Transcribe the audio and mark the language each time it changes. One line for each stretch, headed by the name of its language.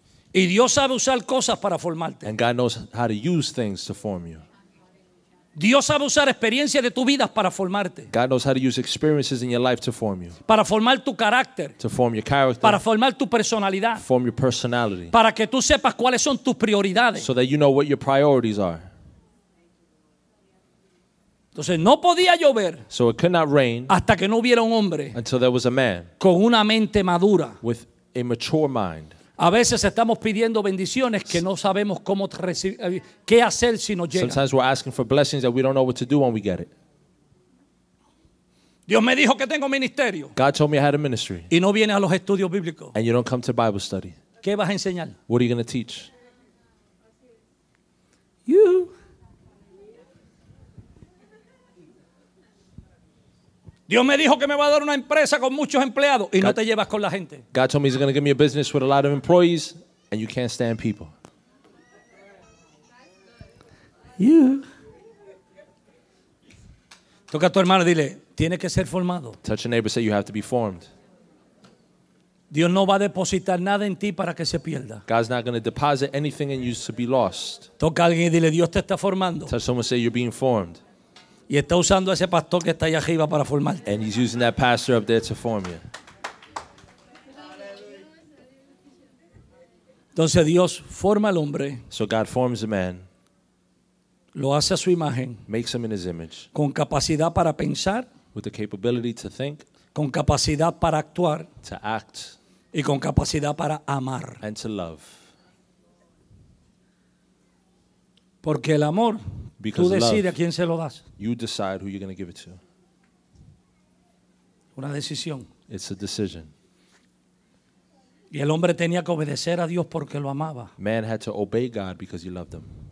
Spanish: Y Dios sabe usar cosas para formarte.
English: And God knows how to use things to form you.
Spanish: Dios sabe usar experiencias de tu vida para formarte.
English: God knows how to use experiences in your life to form you.
Spanish: Para formar tu carácter.
English: To form your character.
Spanish: Para formar tu personalidad.
English: Form your personality.
Spanish: Para que tú sepas cuáles son tus prioridades.
English: So that you know what your priorities are.
Spanish: Entonces no podía llover.
English: So it could not rain.
Spanish: Hasta que no hubiera un hombre.
English: Until there was a man.
Spanish: Con una mente madura.
English: With a mature mind.
Spanish: A veces estamos pidiendo bendiciones que no sabemos cómo recibir, qué hacer si nos llega.
English: Sometimes we're asking for blessings that we don't know what to do when we get it.
Spanish: Dios me dijo que tengo ministerio.
English: God told me I had a ministry.
Spanish: Y no vienes a los estudios bíblicos.
English: And you don't come to Bible study.
Spanish: ¿Qué vas a enseñar?
English: What are you going to teach? You.
Spanish: Dios me dijo que me va a dar una empresa con muchos empleados y God, no te llevas con la gente.
English: God told me he's going to give me a business with a lot of employees and you can't stand people. You.
Spanish: Toca a tu hermano y dile, tiene que ser formado.
English: Touch your neighbor, say you have to be formed.
Spanish: Dios no va a depositar nada en ti para que se pierda.
English: God's not going to deposit anything in you to be lost.
Spanish: Toca a alguien y dile, Dios te está formando.
English: Touch someone, say you're being formed.
Spanish: Y está usando ese pastor que está allá arriba para formarte.
English: And he's using that pastor up there to form you.
Spanish: Entonces Dios forma al hombre.
English: So God forms a man.
Spanish: Lo hace a su imagen.
English: Makes him in his image.
Spanish: Con capacidad para pensar.
English: With the capability to think.
Spanish: Con capacidad para actuar.
English: To act.
Spanish: Y con capacidad para amar.
English: And to love.
Spanish: Porque el amor...
English: Because
Spanish: tú decides
English: love,
Spanish: a quién se lo das.
English: You decide who you're going to give it to.
Spanish: Una decisión.
English: It's a decision.
Spanish: Y el hombre tenía que obedecer a Dios porque lo amaba.
English: Man had to obey God because he loved him.